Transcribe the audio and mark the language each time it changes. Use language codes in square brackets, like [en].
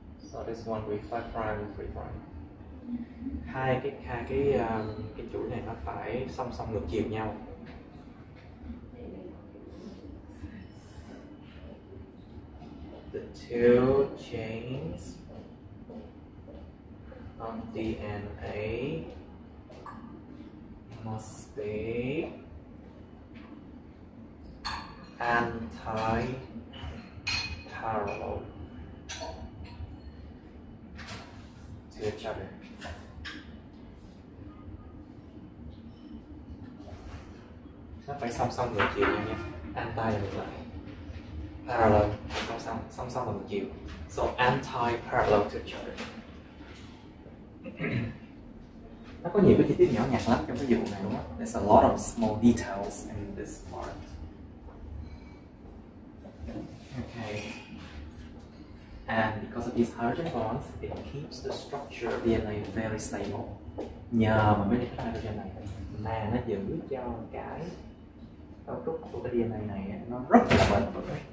[en] So this one will be 5 prime and 3 prime. [vi] Hai cái chuỗi này nó phải song song ngược chiều nhau. [en] The two chains of DNA must be anti-parallel to each other. [vi] Nó phải song song ngược chiều nhé. Anti là ngược lại. Parallel, song song, song song là ngược chiều. [en] So anti-parallel to each other. [vi] Nó có nhiều cái chi tiết nhỏ nhặt lắm trong cái vụ này đúng không? [en] There's a lot of small details in this part. Okay. And because of these hydrogen bonds, it keeps the structure of DNA very stable. [vi] Nhờ mà mấy cái hydrogen này mà nó giữ cho cái cấu trúc của cái DNA này nó rất là bền vững.